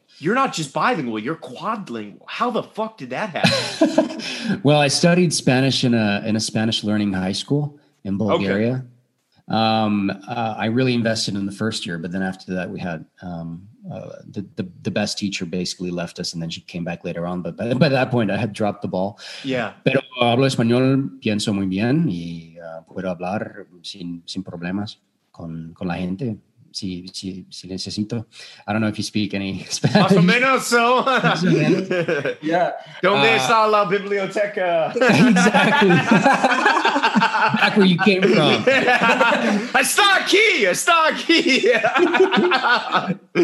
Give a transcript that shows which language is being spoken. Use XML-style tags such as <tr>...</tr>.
<en>You're not just bilingual, you're quadlingual. How the fuck did that happen? Well, I studied Spanish in a Spanish learning high school in Bulgaria. Okay. I really invested in the first year, but then after that we had the best teacher basically left us, and then she came back later on. But by that point I had dropped the ball. Yeah.</en> <es>Pero hablo español, pienso muy bien y puedo hablar sin problemas con la gente. Si necesito.</es> <en>I don't know if you speak any Spanish.</en> <es>Más o menos, so.</es> <en>Yeah.</en> <es>¿Dónde está la biblioteca?</es> <en>Exactly. Back where you came from. I stuck here.</en>